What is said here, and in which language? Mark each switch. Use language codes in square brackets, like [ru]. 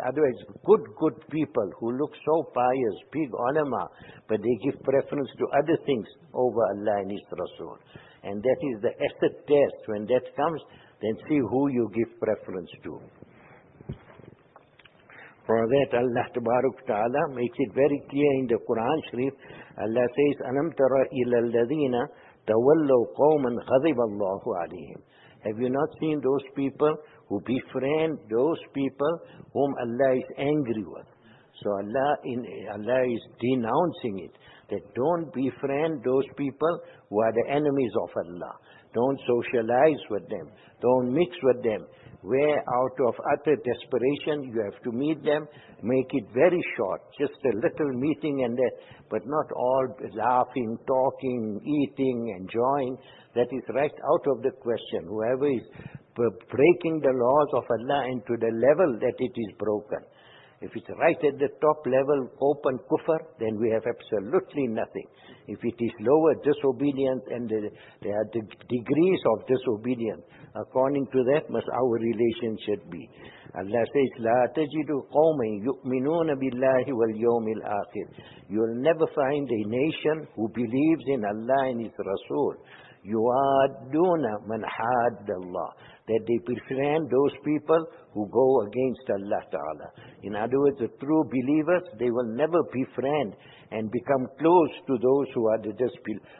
[en] Otherwise, good people who look so pious, big ulama, but they give preference to other things over Allah and His Rasul. And that is the acid test. When that comes, then see who you give preference to. For that, Allah Tabaruk Ta'ala makes it very clear in the Quran Sharif. Allah says, [ar] أَلَمْ تَرَ إِلَى الَّذِينَ تَوَلَّوْا قَوْمًا غَضِبَ اللَّهُ عَلَيْهِمْ. [en] Have you not seen those people who befriend those people whom Allah is angry with? So Allah is denouncing it. That don't befriend those people who are the enemies of Allah. Don't socialize with them. Don't mix with them. Where out of utter desperation you have to meet them, make it very short, just a little meeting and that, but not all laughing, talking, eating, enjoying. That is right out of the question. Whoever is breaking the laws of Allah into the level that it is broken. If it's right at the top level, open kufr, then we have absolutely nothing. If it is lower, disobedience, and there are degrees of disobedience, according to that must our relationship be. Allah says, [ar] لَا تَجِدُ قَوْمًا يُؤْمِنُونَ بِاللَّهِ وَالْيَوْمِ الْآخِرِ. [en] You will never find a nation who believes in Allah and His Rasul. [ar] يُوَادُّونَ مَنْ حَادَّ اللَّهِ. [en] That they befriend those people who go against Allah Ta'ala. In other words, the true believers, they will never befriend and become close to those who are the disbelievers.